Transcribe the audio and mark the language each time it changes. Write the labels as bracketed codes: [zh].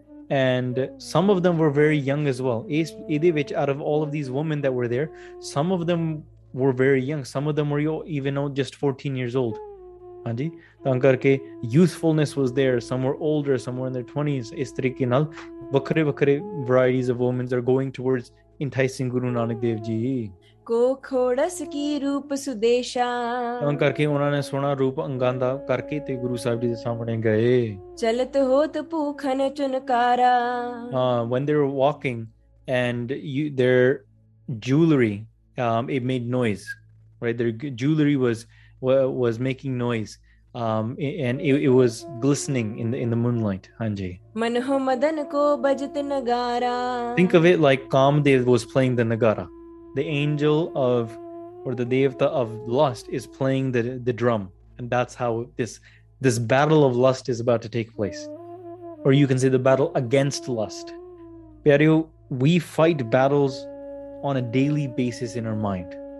[en] And some of them were very young as well. [pa] Ede vich, [en] out of all of these women that were there, some of them were very young. Some of them were even just 14 years old. Hanji, [pa] taan karke [en] youthfulness was there. Some were older, some were in their 20s. [pa] Is tarike naal vakre vakre [en] varieties of women are going towards [pa] ਇੰਥਾਈ Singh Guru Nanak Dev ji ਕੋ ਖੋੜਸ ਕੀ ਰੂਪ ਸੁਦੇਸ਼ਾ ਤਾਂ ਕਰਕੇ ਉਹਨਾਂ ਨੇ ਸੋਹਣਾ ਰੂਪ ਅੰਗਾਂ ਦਾ ਕਰਕੇ ਤੇ ਗੁਰੂ ਸਾਹਿਬ ਜੀ ਦੇ ਸਾਹਮਣੇ ਗਏ ਚਲਤ ਹੋਤ ਭੂਖਨ ਚੁਨਕਾਰਾ [en] ਹਾਂ when they are walking and you their jewelry it made noise right their jewelry was making noise and it was glistening in the moonlight ਹਾਂਜੀ [pa] ਮਨਹੁ ਮਦਨ ਕੋ ਬਜਤ ਨਗਾਰਾ [en] Think of it like Kamdev was playing the nagara The angel of, or the devta of lust is playing the drum. And that's how this battle of lust is about to take place. Or you can say the battle against lust. Pyareo, we fight battles on a daily basis in our mind.